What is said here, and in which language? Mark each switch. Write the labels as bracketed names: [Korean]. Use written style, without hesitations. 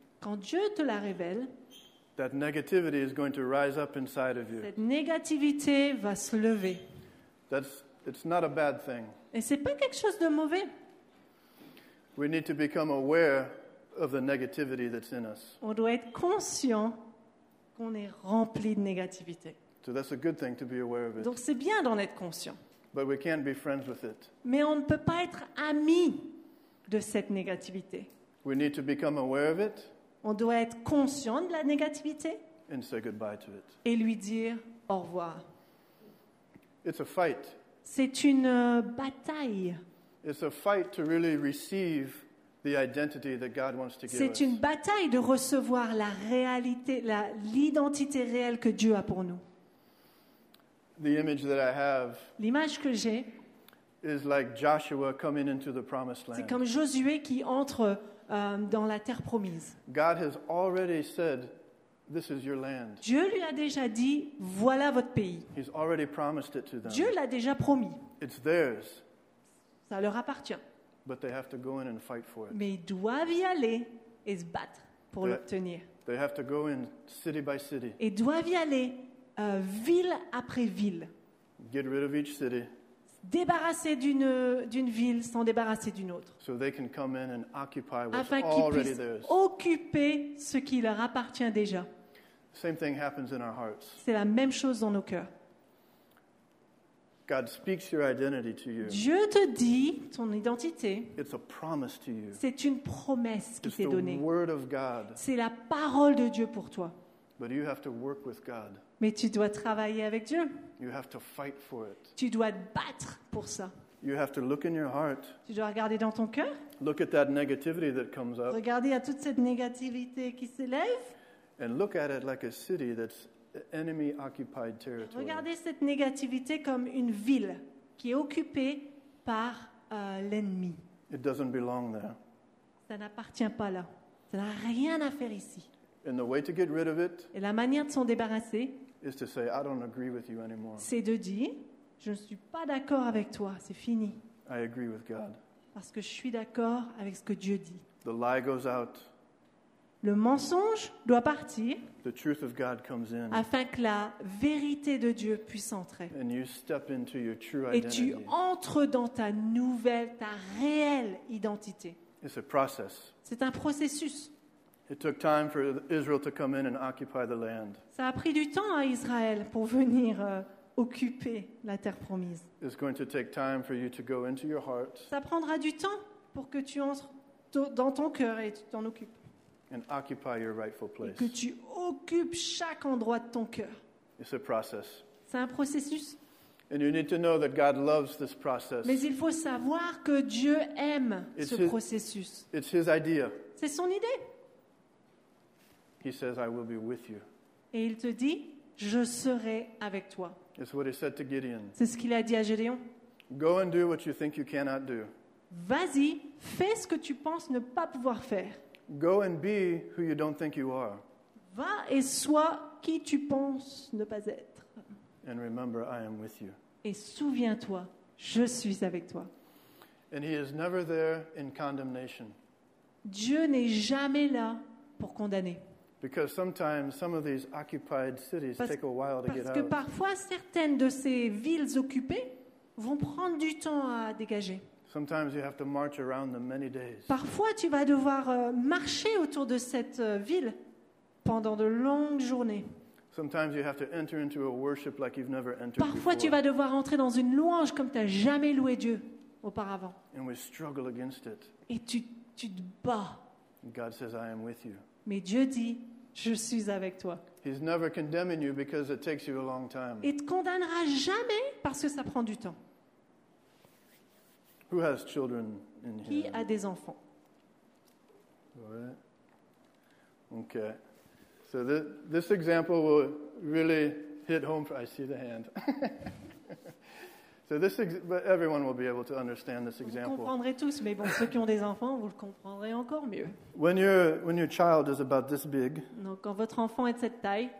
[French] quand Dieu te la révèle, [English] that negativity is going to rise up inside of you. [French] Cette négativité va se lever. [English] It's not a bad thing. [French] Et c'est pas quelque chose de mauvais. [English] We need to become aware of the negativity that's in us. [French] On doit être conscient qu'on est rempli de négativité. [English] So that's a good thing to be aware of it. [French] Donc c'est bien d'en être conscient. [English] But we can't be friends with it. [French] Mais on ne peut pas être amis. De cette négativité. [English] We need to become aware of it. [French] On doit être conscient de la négativité. [English] And say goodbye to it. [French] Et lui dire au revoir. [English] It's a fight. [French] C'est une bataille. [English] It's a fight to really receive the identity that God wants to give us. [French] C'est une bataille de recevoir la réalité, l'identité réelle que Dieu a pour nous. [English] The image that I have. [French] L'image que j'ai. [English] Is like Joshua coming into the promised land. [French] C'est comme Josué qui entre dans la terre promise. [English] God has already said, "This is your land." [French] Dieu lui a déjà dit, voilà votre pays. [English] He's already promised it to them. [French] Dieu l'a déjà promis. [English] It's theirs. [French] Ça leur appartient. [English] But they have to go in and fight for it. [French] Mais ils doivent y aller et se battre pour l'obtenir. [English] They have to go in city by city. [French] Et doivent y aller ville après ville. [English] Get rid of each city. [French] Débarrasser d'une ville sans débarrasser d'une autre. [English] So they can come in and occupy what's [French] afin qu'ils [English] already [French] puissent [English] theirs. [French] Occuper ce qui leur appartient déjà. [English] Same thing happens in our hearts. [French] C'est la même chose dans nos cœurs. [English] God speaks your identity to you. [French] Dieu te dit ton identité. [English] It's a promise to you. [French] C'est une promesse qui t'est donnée. [English] The word of God. [French] C'est la parole de Dieu pour toi. [English] But you have to work with God. [French] Mais tu dois travailler avec Dieu. [English] You have to fight for it. [French] Tu dois te battre pour ça. [English] You have to look in your heart. [French] Tu dois regarder dans ton cœur. [English] Look at that negativity that comes up. [French] Regarder à toute cette négativité qui s'élève. [English] And look at it like a city that's enemy-occupied territory. [French] Regardez cette négativité comme une ville qui est occupée par l'ennemi. [English] It doesn't belong there. [French] Ça n'appartient pas là. Ça n'a rien à faire ici. [English] And the way to get rid of it. [French] Et la manière de s'en débarrasser. [English] Is to say, I don't agree with you anymore. [French] C'est de dire, je ne suis pas d'accord avec toi, c'est fini. [English] I agree with God. [French] Parce que je suis d'accord avec ce que Dieu dit. [English] The lie goes out. [French] Le mensonge doit partir. [English] The truth of God comes in. [French] Afin que la vérité de Dieu puisse entrer. [English] And you step into your true [French] Et [English] identity. [French] Tu entres dans ta nouvelle, ta réelle identité. [English] It's a process. [French] C'est un processus. [English] It took time for Israel to come in and occupy the land. [French] Ça a pris du temps à Israël pour venir occuper la terre promise. [English] It's going to take time for you to go into your heart. [French] Ça prendra du temps pour que tu entres dans ton cœur et tu t'en occupes. [English] And occupy your rightful place. [French] Et que tu occupes chaque endroit de ton cœur. [English] It's a process. [French] C'est un processus. [English] And you need to know that God loves this process. [French] Mais il faut savoir que Dieu aime [English] it's [French] ce [English] his, [French] processus. [English] It's his idea. [French] C'est son idée. [English] He says, I will be with you. [French] Et il te dit, je serai avec toi. [English] It's what he said to Gideon. [French] C'est ce qu'il a dit à Gédéon. [English] Go and do what you think you cannot do. [French] Vas-y, fais ce que tu penses ne pas pouvoir faire. [English] Go and be who you don't think you are. [French] Va et sois qui tu penses ne pas être. [English] And remember, I am with you. [French] Et souviens-toi, je suis avec toi. [English] And he is never there in condemnation. [French] Dieu n'est jamais là pour condamner. [English] Because sometimes some of these occupied cities take a while to get out. [French] Parce que parfois certaines de ces villes occupées vont prendre du temps à dégager. [English] Sometimes you have to march around them many days. [French] Parfois tu vas devoir marcher autour de cette ville pendant de longues journées. [English] Sometimes you have to enter into a worship like you've never entered. [French] Parfois [English] before. [French] Tu vas devoir entrer dans une louange comme tu n'as jamais loué Dieu auparavant. [English] And we struggle against it. [French] Et tu te bats. [English] God says, I am with you. [French] Mais Dieu dit, je suis avec toi. [English] He's never condemning you because it takes you a long time. [French] Il ne te condamnera jamais parce que ça prend du temps. [English] Who has children in [French] qui [English] here? [French] A des enfants? Ouais. Okay. [English] So this example will really hit home for, I see the hand. So this but everyone will be able to understand this example. [French] Vous comprendrez tous, mais bon, ceux qui ont des enfants, vous le comprendrez encore mieux. [English] When your child is about this big, [French] donc quand votre enfant est de cette taille,